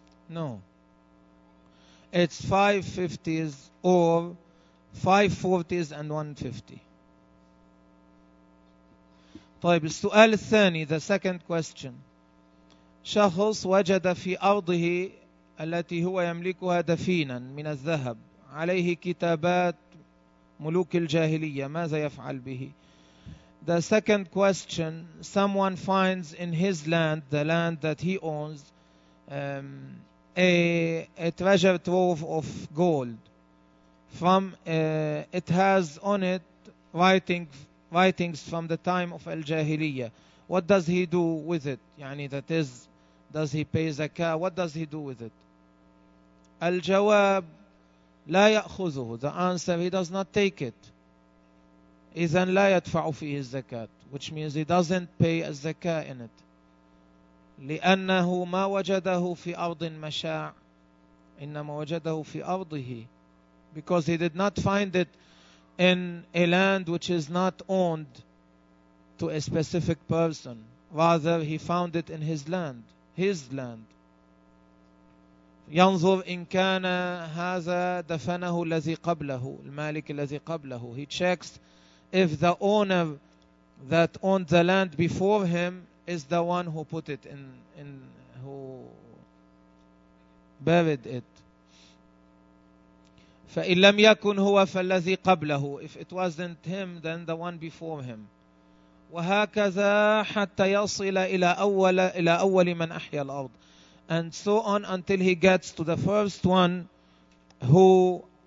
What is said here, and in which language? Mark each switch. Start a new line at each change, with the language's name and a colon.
English: No, it's 5 50s or 5 40s and 150.
Arabic: طيب السؤال الثاني,
English: the second question.
Arabic: شخص وجد في أرضه التي هو يملكها دفينا من الذهب عليه كتابات ملوك الجاهلية ماذا يفعل به؟
English: The second question, someone finds in his land, the land that he owns, a treasure trove of gold. From it has on it writings from the time of al-Jahiliyyah. What does he do with it? يعني that is, does he pay zakah? What does he do with it?
Arabic: الجواب لا يأخذه.
English: The answer, he does not take it.
Arabic: إذن لا يدفع فيه الزكاة,
English: which means he doesn't pay a zakah in it.
Arabic: لأنه ما وجده في أرض مشاع, إنما وجده في أرضه.
English: Because he did not find it in a land which is not owned to a specific person. Rather, he found it in his land, his land.
Arabic: ينظر إن كان هذا دفنه الذي قبله, المالك الذي قبله.
English: He checks if the owner that owned the land before him is the one who put it in who buried it.
Arabic: فإن لم يكن هو فالذي قبله.
English: If it wasn't him, then the one before him.
Arabic: وهكذا حتى يصل إلى أول إلى أول من أحيا الأرض.
English: And so on until he gets to the first one who